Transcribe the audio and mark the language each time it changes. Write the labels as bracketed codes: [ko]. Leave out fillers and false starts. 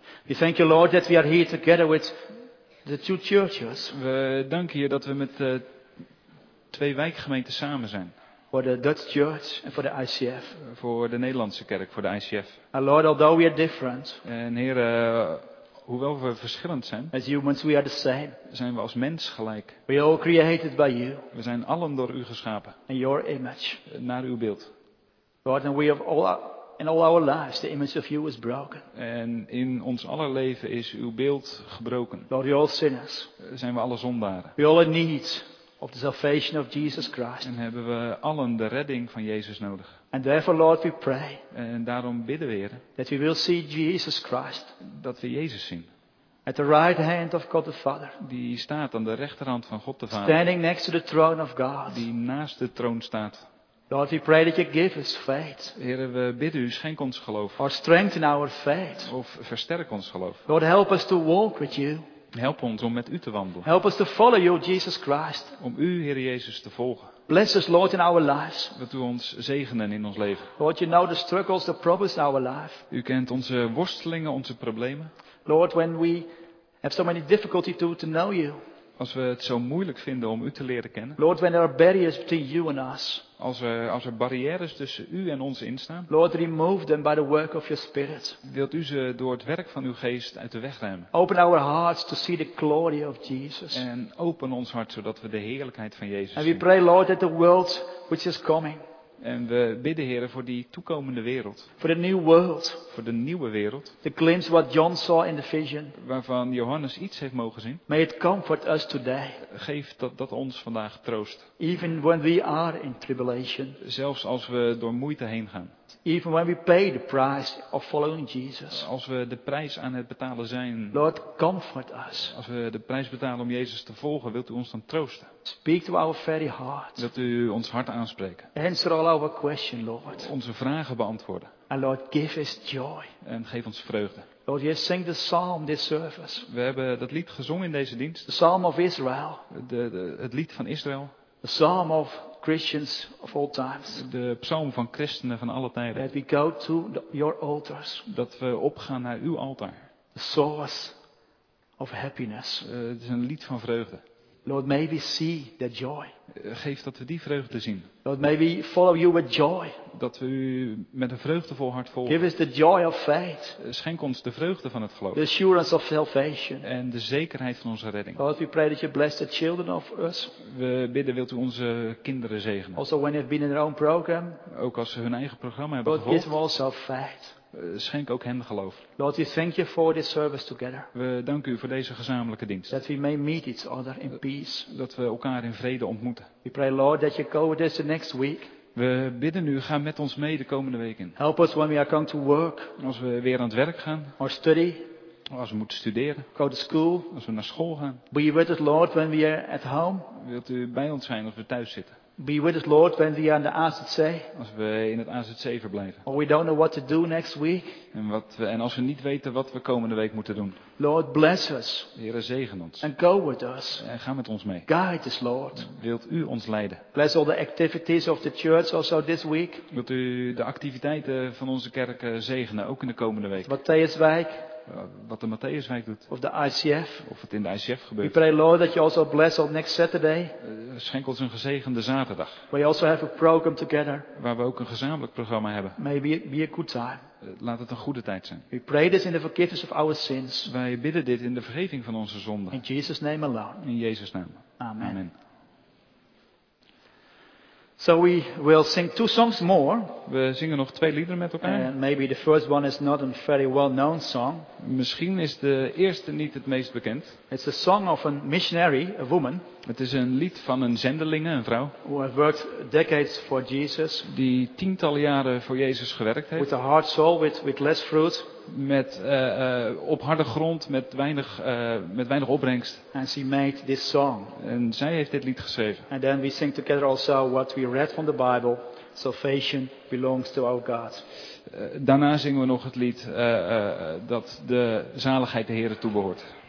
[en] We thank you, Lord, that we are here together with the two churches. [nl] We danken hier dat we met twee wijkgemeenten samen zijn. [en] For the Dutch Church and for the ICF. [nl] Voor de Nederlandse kerk, voor de ICF. [en] And Lord, although we are different. [nl] En Heere, hoewel we verschillend zijn, [en] as humans we are the same. [nl] Zijn we als mens gelijk. [en] We are all created by you. [nl] We zijn allen door u geschapen. [en] In your image. [nl] Naar uw beeld. [en] Lord, and we have all our, in all our lives, the image of you is broken. [nl] En in ons aller leven is uw beeld gebroken. [en] Lord, we are all sinners. [nl] Zijn we alle zondaren. [en] We all in need of the salvation of Jesus Christ. [nl] En hebben we allen de redding van Jezus nodig. [en] And therefore, Lord, we pray. [nl] En daarom bidden we, Heer, [en] that we will see Jesus Christ. [nl] Dat we Jezus zien. [en] At the right hand of God the Father. [nl] Die staat aan de rechterhand van God de Vader. [en] Standing next to the throne of God. [nl] Die naast de troon staat. [en] Lord, we pray that you give us faith. [nl] Heer, we bidden u, schenk ons geloof. [en] Or strengthen our faith. [nl] Of versterk ons geloof. [en] Lord, help us to walk with you. [nl] Help ons om met u te wandelen. [en] Help us to follow you, Jesus Christ. [nl] Om u, Heer Jezus, te volgen. [en] Bless us, Lord, in our lives. [nl] Wilt u ons zegenen in ons leven. [en] Lord, you know the struggles, the problems in our life. [nl] U kent onze worstelingen, onze problemen. [en] Lord, when we have so many difficulty to know you. [nl] Als we het zo moeilijk vinden om u te leren kennen. [en] Lord, when there are barriers between you and us. [nl] Als er barrières tussen u en ons instaan. [en] Lord, remove them by the work of your spirit. [nl] Wilt u ze door het werk van uw geest uit de weg ruimen. [en] Open our hearts to see the glory of Jesus. [nl] En open ons hart zodat we de heerlijkheid van Jezus [en] and [nl] zien. [en] And we pray, Lord, that the world which is coming. [nl] En we bidden, Heere, voor die toekomende wereld. [en] For the new world. [nl] Voor de nieuwe wereld. [en] The glimpse what John saw in the vision. [nl] Waarvan Johannes iets heeft mogen zien. [en] May it comfort us today. [nl] Geef dat ons vandaag troost. [en] Even when we are in tribulation. [nl] Zelfs als we door moeite heen gaan. [en] Even when we pay the price of following Jesus. [nl] Als we de prijs aan het betalen zijn. [en] Lord, comfort us. [nl] Als we de prijs betalen om Jezus te volgen, wilt u ons dan troosten? [en] Speak to our very heart. [nl] Wilt u ons hart aanspreken? [en] Answer all our questions, Lord. [nl] Onze vragen beantwoorden. [en] And Lord, give us joy. [nl] En geef ons vreugde. [en] Lord, you sing the psalm this service. [nl] We hebben dat lied gezongen in deze dienst. [en] The psalm of Israel. [nl] Het lied van Israël. [en] The psalm of Christians of all times. [nl] De psalm van christenen van alle tijden. [en] That we go to your altars. [nl] Dat we opgaan naar uw altaar. [en] The source of happiness. [nl] Het is een lied van vreugde. [en] Lord, may we see that joy. [nl] Geef dat we die vreugde zien. [en] Lord, may we follow you with joy. [nl] Dat we u met een vreugdevol hart volgen. [en] Give us the joy of faith. [nl] Schenk ons de vreugde van het geloof. [en] The assurance of salvation. [nl] En de zekerheid van onze redding. [en] Lord, we pray that you bless the children of us. [nl] We bidden, wilt u onze kinderen zegenen. [en] Also when they've been in their own program. [nl] Ook als ze hun eigen programma hebben gevolgd. [en] Give them also faith. [nl] Schenk ook hen geloof. [en] Lord, we thank you for this service together. [nl] We danken u voor deze gezamenlijke dienst. [en] That we may meet each other in peace. [nl] Dat we elkaar in vrede ontmoeten. [en] We pray, Lord, that you go with us the next week. [nl] We bidden u, ga met ons mee de komende week in. [en] Help us when we are going to work. [nl] Als we weer aan het werk gaan. [en] Or study. [nl] Als we moeten studeren. [en] Go to school. [nl] Als we naar school gaan. [en] Be with us, Lord, when we are at home. [nl] Wilt u bij ons zijn als we thuis zitten? [en] Be with us, Lord, when we are in the AZC. [nl] Als we in het AZC verblijven. [en] Or we don't know what to do next week. [nl] En als we niet weten wat we komende week moeten doen. [en] Lord, bless us. [nl] Heere, zegen ons. [en] And go with us. [nl] En ga met ons mee. [en] Guide us, Lord. [nl] Wilt u ons leiden? [en] Bless all the activities of the church also this week. [nl] Wilt u de activiteiten van onze kerk zegenen, ook in de komende week? [en] Matthäuswijk. [nl] Wat de Matthäuswijk doet. [en] Of the ICF. [nl] Of het in de ICF gebeurt. [en] We pray, Lord, that you also bless on next Saturday. [nl] Schenk ons een gezegende zaterdag. [en] We also have a program together. [nl] Waar we ook een gezamenlijk programma hebben. [en] Maybe it be a good time. [nl] Laat het een goede tijd zijn. [en] We pray this in the forgiveness of our sins. [nl] Wij bidden dit in de vergeving van onze zonden. [en] In Jesus' name alone. [nl] In Jezus' naam. Amen. Amen. [en] So we will sing two songs more. [nl] We zingen nog twee liederen met elkaar. [en] And maybe the first one is not a very well-known song. [nl] Misschien is de eerste niet het meest bekend. [en] It's a song of a missionary, a woman. [nl] Het is een lied van een zendelinge, een vrouw. [en] Who has worked decades for Jesus. [nl] Die tientallen jaren voor Jezus gewerkt heeft. [en] With a hard soul, with less fruit. [nl] met op harde grond, met weinig opbrengst. [en] And she made this song. [nl] En zij heeft dit lied geschreven. [en] And then we sing together also what we read from the Bible. Salvation belongs to our God. [nl] Daarna zingen we nog het lied dat de zaligheid de Heere toebehoort.